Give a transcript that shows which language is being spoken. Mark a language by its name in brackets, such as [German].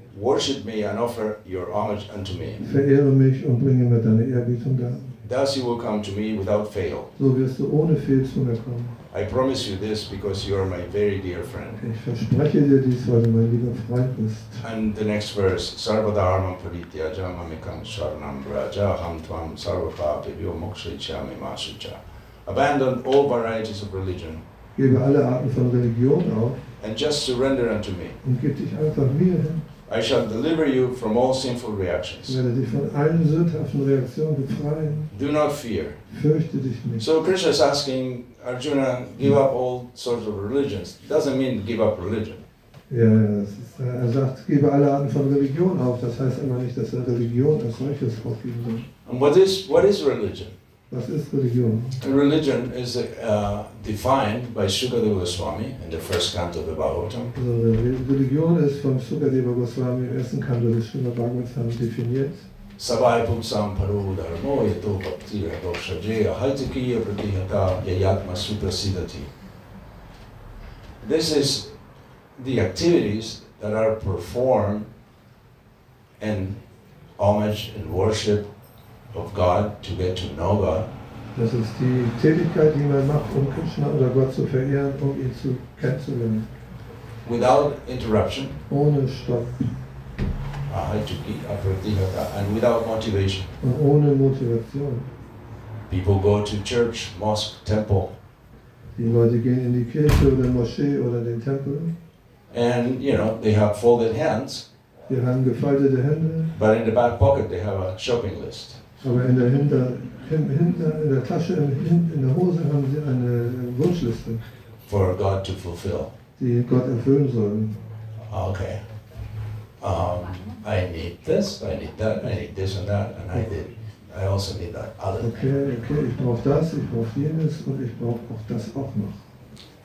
[English] Worship me and offer your homage unto me. [German] Verehre mich und bringe mir deine Ehrbietung dar. [English] Thus you will come to me without fail. [German] So wirst du ohne Fehl zu mir kommen. [English] I promise you this because you are my very dear friend. [German] Ich verspreche dir dies, weil du mein lieber Freund bist. [English] And the next verse, [Sanskrit] Sarva dharma paritya jama mikam sharanam braja ham tvam sarva pape vyo moksha ichyami masucha. [English] Abandon all varieties of religion. [German] Gebe alle Arten von Religion auf. [English] And just surrender unto me. [German] Und gib dich einfach mir hin. [English] I shall deliver you from all sinful reactions. [German] Werde dich von allen sündhaften Reaktionen befreien. [English] Do not fear. [German] Fürchte dich nicht. [English] So Krishna is asking Arjuna, give up all sorts of religions. Doesn't mean give up religion. [German] Ja, er sagt, gebe alle Arten von Religion auf. Das heißt immer nicht, dass er Religion als solches aufgeben soll. [English] And what is religion? [German] Was ist Religion? [English] Religion is defined by Sukadeva Goswami in the first canto of the Bhagavatam. [German] Also, Religion ist von Sukadeva Goswami im ersten Kanto des Srimad Bhagavatam definiert. [Sanskrit] Savai pumsam paro dharmo yato bhaktira dosha jaya haitikiya pratihata yayatma suprasidati. [English] This is the activities that are performed in homage and worship of God to get to know God. [German] Das ist die Tätigkeit, die man macht, um Krishna oder Gott zu verehren, um ihn zu kennenzulernen. [English] Without interruption. [German] Ohne Stopp. [English] And without motivation. [German] Und ohne Motivation. [English] People go to church, mosque, temple. [German] Die Leute gehen in die Kirche oder Moschee oder den Tempel. [English] And you know, they have folded hands. [German] Die haben gefaltete Hände. [English] But in the back pocket they have a shopping list. [German] Aber in der Hose haben sie eine Wunschliste. [English] For God to fulfill. [German] Die Gott erfüllen soll. Okay. [English] I need this, I need that, I need this and that, and I also need that other. [German] Okay, ich brauche das, ich brauche jenes und ich brauche auch das auch noch.